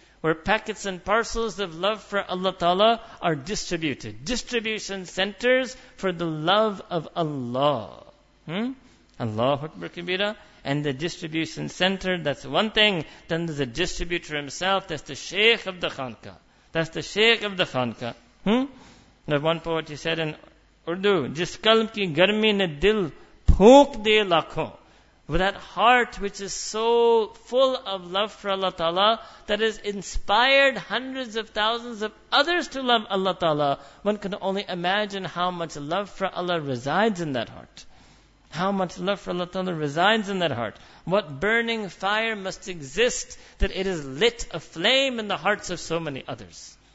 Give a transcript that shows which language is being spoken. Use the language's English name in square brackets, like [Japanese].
[English] Where packets and parcels of love for Allah ta'ala are distributed. Distribution centers for the love of Allah. Allahu Akbar Kabira. And the distribution center, that's one thing. Then there's a distributor himself, that's the Shaykh of the Khanka. That's the Shaykh of the Khanka. The one poet he said in Urdu, [Urdu] جس قلب کی گرمی نے دل پھونک دے لاکھوں۔ [English] With that heart which is so full of love for Allah Ta'ala, that has inspired hundreds of thousands of others to love Allah Ta'ala, one can only imagine how much love for Allah resides in that heart. How much love for Allah Ta'ala resides in that heart. What burning fire must exist that it has lit a flame in the hearts of so many others.